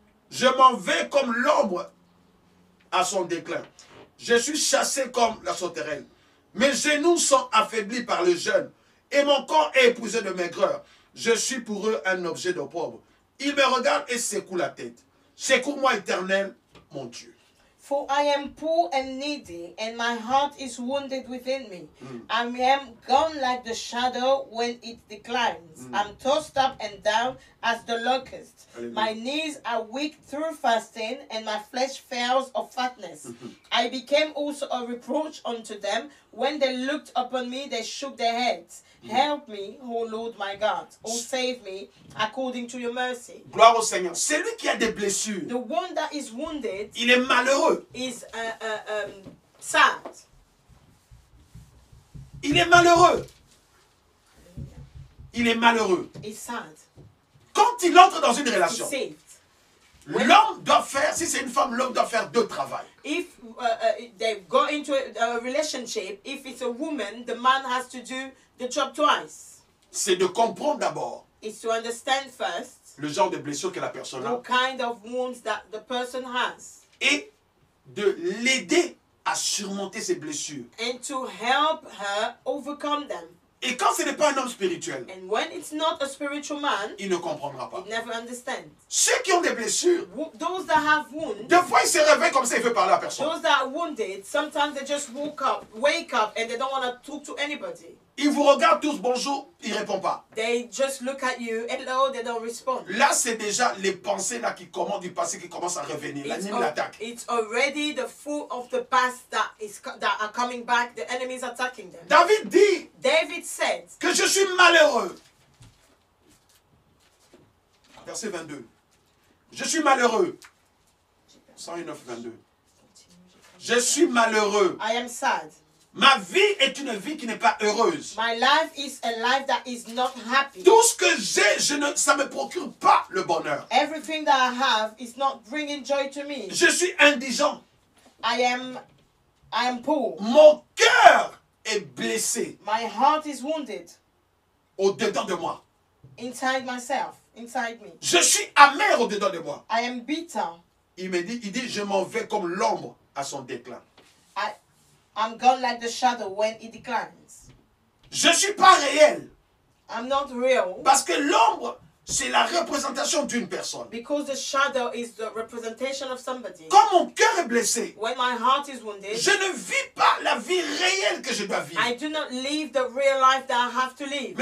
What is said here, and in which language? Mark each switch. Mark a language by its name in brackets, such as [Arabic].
[French] Je m'en vais comme l'ombre à son déclin. Je suis chassé comme la sauterelle. Mes genoux sont affaiblis par le jeûne, et mon corps est épuisé de maigreur. Je suis pour eux un objet d'opprobre. Ils me regardent et secouent la tête. Secoue-moi, Éternel, mon Dieu. [English] For I am poor and needy, and my heart is wounded within me. Mm. I am gone like the shadow when it declines. Mm. I'm tossed up and down as the locust. Alleluia. My knees are weak through fasting, and my flesh fails of fatness. Mm-hmm. I became also a reproach unto them. When they looked upon me, they shook their heads. Mm. Help me, O Lord my God. O save me, according to your mercy. [French] Gloire au Seigneur. Celui qui a des blessures. [English] The one that is wounded. [French] Il est malheureux. Is sad. Il est malheureux. Il est malheureux. [English] He's sad. [French] Quand il entre dans une relation. L'homme doit faire, si c'est une femme, l'homme doit faire deux travaux. [English] If they go into a relationship, if it's a woman, the man has to do the job twice. [French] C'est de comprendre d'abord. [English] It's to understand first. [French] Le genre de blessure que la personne a. [English] What kind of wounds that the person has. [French] Et de l'aider à surmonter ses blessures. [English] And to help her overcome them. [French] Et quand ce n'est pas un homme spirituel, [English] and when it's not a spiritual man, [French] il ne comprendra pas. [English] He never understand. [French] Ceux qui ont des blessures, [English] those that have wounds, [French] des fois ils se réveillent comme ça, ils veulent parler à personne. [English] Those that are wounded, sometimes they just wake up and they don't want to talk to anybody. [French] Ils vous regardent tous, bonjour, ils répondent pas. [English] They just look at you, hello, they don't respond. [French] Là, c'est déjà les pensées là qui commencent du passé qui commencent à revenir. L'ennemi l'attaque. [English] It's already the fool of the past that are coming back. The enemy is attacking them. [French] David dit. [English] David said. [French] Que je suis malheureux. Verset 22. Je suis malheureux. 109, 22. Je suis malheureux. [English] I am sad. [French] Ma vie est une vie qui n'est pas heureuse. [English] My life is a life that is not happy. [French] Tout ce que j'ai, ça ne me procure pas le bonheur. [English] Everything that I have is not bringing joy to me. [French] Je suis indigent. [English] I am poor. [French] Mon cœur est blessé. [English] My heart is wounded. [French] Au-dedans de moi. [English] Inside myself, inside me. [French] Je suis amer au-dedans de moi. [English] I am bitter. [French] Il dit, je m'en vais comme l'ombre à son déclin. [English] I'm gone like the shadow when it declines. [French] Je suis pas réel. [English] I'm not real. [French] Parce que l'ombre, c'est la représentation d'une personne. [English] Because the shadow is the representation of somebody. [French] Quand mon cœur est blessé, [English] when my heart is wounded, [French] je ne vis pas la vie réelle que je dois vivre. [English] I do not live the real life that I have to live.